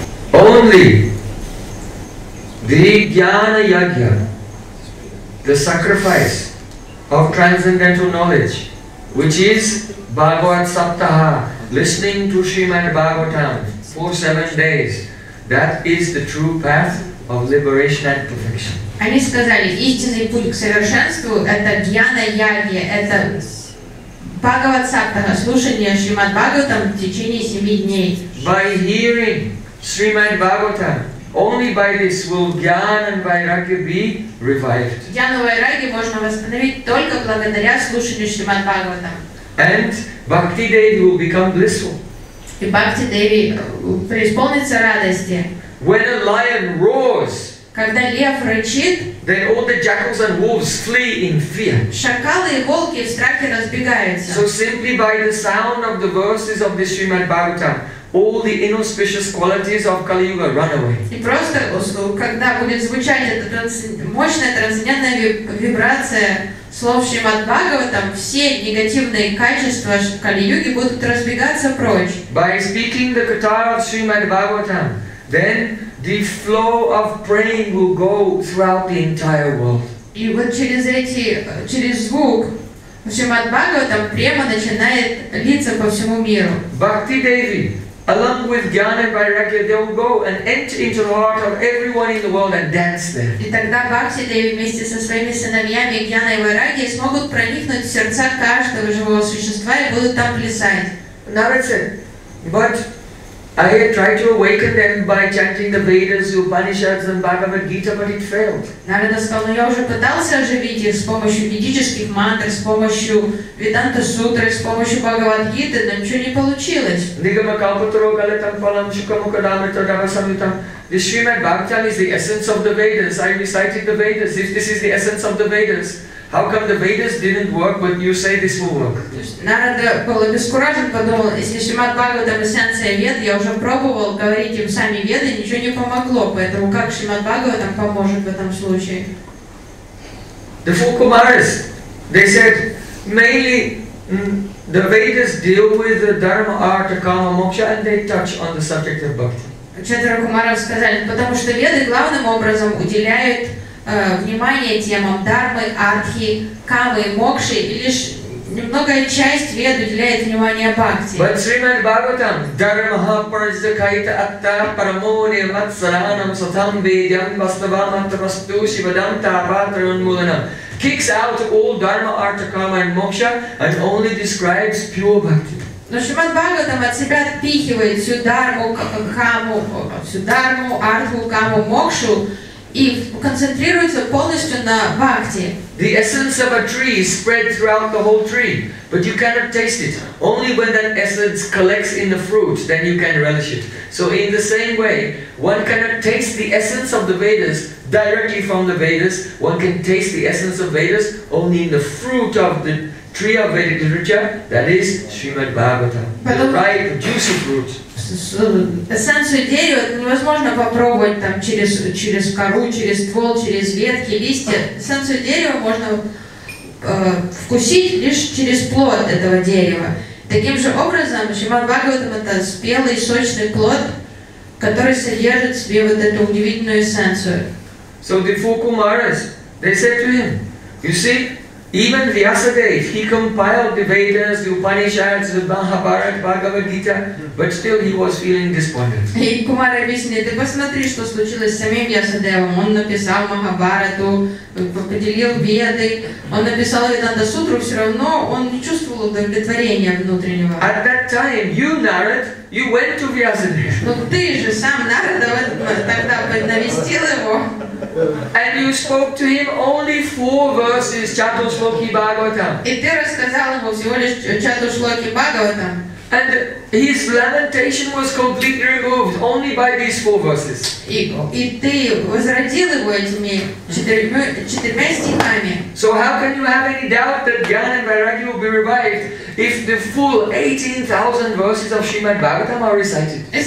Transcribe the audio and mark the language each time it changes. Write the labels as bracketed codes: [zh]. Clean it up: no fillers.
[en] Only the jnana yajna, the sacrifice of transcendental knowledge, which is Bhagavat Saptaha, listening to Srimad Bhagavatam for 7 days, that is the true path of liberation and perfection. [ru] Они сказали, истинный путь к совершенству – это джняна ягья, это Бхагават Саптаха, слушание Шримад Бхагаватам в течение 7 дней. [en] By hearing Srimad Bhagavatam, only by this will Gyan and Vairagya be revived. [ru] Jnana Vairagya можно восстановить только благодаря слушанию Шримад Бхагаватам. [en] And Bhakti Devi will become blissful. [ru] И Бхакти Деви преисполнится радости. [en] When a lion roars, [ru] когда лев рычит, [en] then all the jackals and wolves flee in fear. [ru] Шакалы и волки в страхе разбегаются. [en] So simply by the sound of the verses of the Srimad Bhagavatam, all the inauspicious qualities of Kali Yuga run away. [ru] И просто, когда будет звучать эта мощная трансцендентная вибрация слов Шримад Бхагаватам, все негативные качества Кали Юги будут разбегаться прочь. [en] By speaking the katha of Srimad Bhagavatam, then the flow of praying will go throughout the entire world. [ru] И вот через звук Шримад Бхагаватам према начинает литься по всему миру. [en] Bhakti Devi, along with Jnana and Vairagya, they will go and enter into the heart of everyone in the world and dance there. [ru] И тогда Бхакти Деви вместе со своими сыновьями Джнана и Вайрагья смогут проникнуть в сердца каждого живого существа и будут там плясать. [en] Narada said, but I had tried to awaken them by chanting the Vedas, Upanishads and Bhagavad Gita, but it failed. [ru] Narada сказал, но я уже пытался оживить их с помощью ведических мантр, с помощью Веданта Сутры, с помощью Бхагавад Гиты, но ничего не получилось. [sa] Нигама Калпатро Галитам Палам Шукамукадами Тадава Самитам. [en] The Srimad Bhagavatam is the essence of the Vedas. I recited the Vedas. If this is the essence of the Vedas, how come the Vedas didn't work when you say this will work? [ru] Narada был обескуражен, подумал, если Шримад Бхагаватам эссенция Вед, я уже пробовал говорить им сами Веды, ничего не помогло, поэтому как Шримад Бхагаватам поможет в этом случае? [en] The four Kumaras, they said, mainly the Vedas deal with the Dharma, Artha, Kama, Moksha, and they touch on the subject of Bhakti. [ru] Четверо Кумаров сказали, потому что Веды главным образом уделяют внимание темам дармы, артхи, камы, мокши, и лишь немного часть Вед уделяет внимание бхакти. [en] But Srimad Bhagavatam, [sa] dharmaha parjakaita atta paramone matsaranam satam vedyam vastavamantamastu shivadanta apatranmulanam [en] kicks out all dharma, artha, kama and moksha and only describes pure bhakti. [ru] Но Шримад Бхагаватам от себя отпихивает всю дарму, каму, всю дарму, артху, каму, мокшу и концентрируется полностью на бхакти. [en] The essence of a tree is spread throughout the whole tree, but you cannot taste it. Only when that essence collects in the fruit, then you can relish it. So in the same way, one cannot taste the essence of the Vedas directly from the Vedas. One can taste the essence of Vedas only in the fruit of the tree of Vedic literature, that is Srimad Bhagavatam, the ripe, juicy fruit. [ru] Эссенцию дерева невозможно попробовать там через кору, через ствол, через ветки, листья. Эссенцию дерева можно вкусить лишь через плод этого дерева. Таким же образом, Шримад Бхагаватам это спелый, сочный плод, который содержит в себе вот эту удивительную эссенцию. [en] So the four Kumaras, they said to him, you see, even Vyasadeva, he compiled the Vedas, the Upanishads, the Mahabharata, Bhagavad Gita, but still he was feeling despondent. [ru] И Кумара объясняет, ты посмотри, что случилось с самим Вьясадевом. Он написал Махабарату, поделил Веды, он написал Веданта Сутру, все равно он не чувствовал удовлетворения внутреннего. [en] At that time, you, Narada, you went to Vyasadeva. [ru] Но ты же сам, Narada, тогда навестил его. [en] And you spoke to him only 4 verses, Chatushloki Bhagavatam. [ru] И ты рассказал ему всего лишь Чатушлоки Бхагаватам. [en] And his lamentation was completely removed only by these four verses. So how can you have any doubt that Gyan and Vairagya will be revived if the full 18,000 verses of Srimad Bhagavatam are recited?